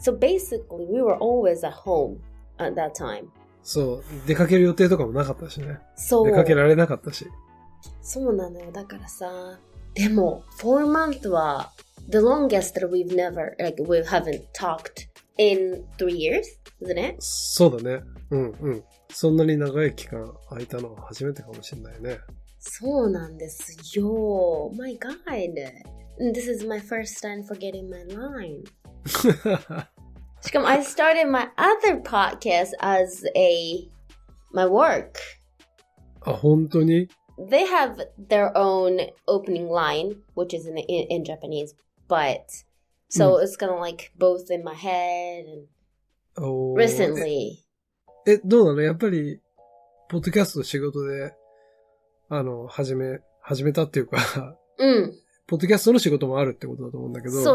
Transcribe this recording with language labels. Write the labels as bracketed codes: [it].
[en] So basically, we were always at home at that time. [ja] そう。出かける予定とかもなかったしね。そう。出かけられなかったし。そうなのよ、だからさ、でも [en] 4 month [ja] は [en] the longest that we've never, like, we haven't talked in 3 years, isn't it? [ja] そうだね、うんうん、そんなに長い期間空いたのは初めてかもしれないね。そうなんですよ、 [en] my god, this is my first time forgetting my line. [ja] しかも [en] I started my other podcast as a, my work. [ja] あ、本当に? [en] They have their own opening line, which is in Japanese, but so it's kind of like both in my head and recently. [ja] え、どうなの?やっぱり、ポッドキャスト仕事で、始めたっていうか、ポッドキャストの仕事もあるってことだと思うんだけど、